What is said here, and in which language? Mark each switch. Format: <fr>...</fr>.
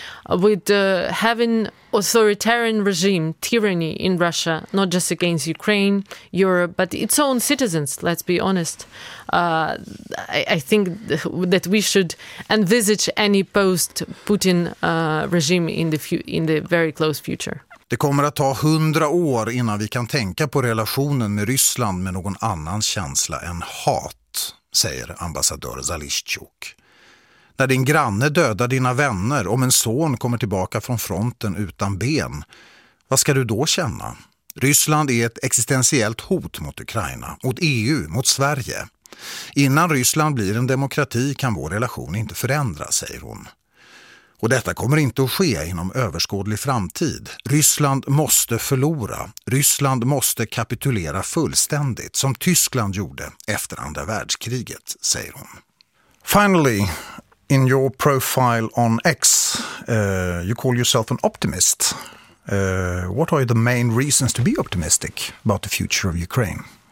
<en>With having authoritarian regime, tyranny in Russia, not just against Ukraine, Europe, but its own citizens, let's be honest, I think that we should envisage any post-Putin regime in the very close future.</en> <sv>Det kommer att ta 100 år innan vi kan tänka på relationen med Ryssland med någon annan känsla än hat, säger ambassadör Zalishchuk. När din granne dödar dina vänner, om en son kommer tillbaka från fronten utan ben, vad ska du då känna? Ryssland är ett existentiellt hot mot Ukraina, mot EU, mot Sverige. Innan Ryssland blir en demokrati kan vår relation inte förändras, säger hon. Och detta kommer inte att ske inom överskådlig framtid. Ryssland måste förlora. Ryssland måste kapitulera fullständigt, som Tyskland gjorde efter andra världskriget, säger hon.</sv> <en>Finally, in your profile on X, you call yourself an optimist. What are the main reasons to be optimistic about the future of Ukraine?</en>